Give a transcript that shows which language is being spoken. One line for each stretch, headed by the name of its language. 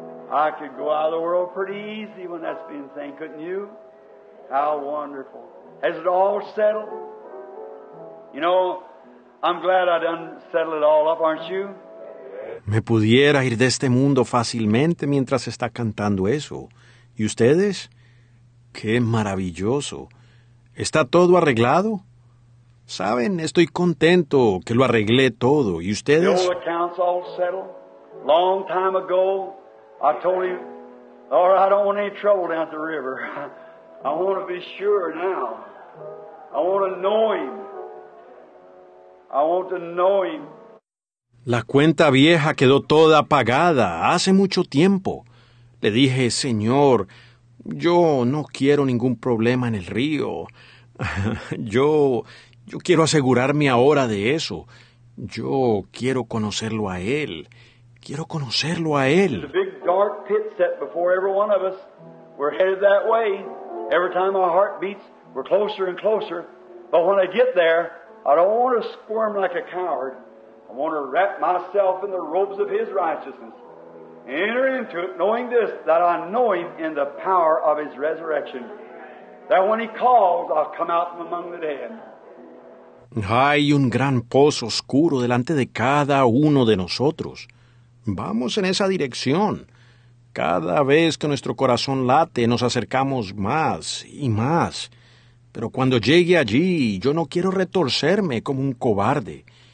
English: I could go out of the world pretty easy when that's been saying, couldn't you? How wonderful. Has it all settled? You know, I'm glad I done settle it all up, aren't you?
Spanish: Me pudiera ir de este mundo fácilmente mientras está cantando eso. ¿Y ustedes? ¡Qué maravilloso! ¿Está todo arreglado? ¿Saben? Estoy contento que lo arreglé todo. ¿Y ustedes?
English: The old account's all settled. Long time ago, I told him, Lord, I don't want any trouble down at the river. I want to be sure now. I want to know him. I want to know him.
Spanish: La cuenta vieja quedó toda pagada hace mucho tiempo. Le dije, Señor, yo no quiero ningún problema en el río. Yo quiero asegurarme ahora de eso. Yo quiero conocerlo a él. Quiero conocerlo a él.
English: There's a big dark pit set before every one of us. We're headed that way. Every time our heart beats, we're closer and closer. But when I get there, I don't want to squirm like a coward. I want to wrap myself in the robes of his righteousness. Enter into it, knowing this, that I know him in the power of his resurrection. That when he calls, I'll come out from among the dead.
Spanish: Hay un gran pozo oscuro delante de cada uno de nosotros. Vamos en esa dirección. Cada vez que nuestro corazón late, nos acercamos más y más. Pero cuando llegue allí, yo no quiero retorcerme como un cobarde.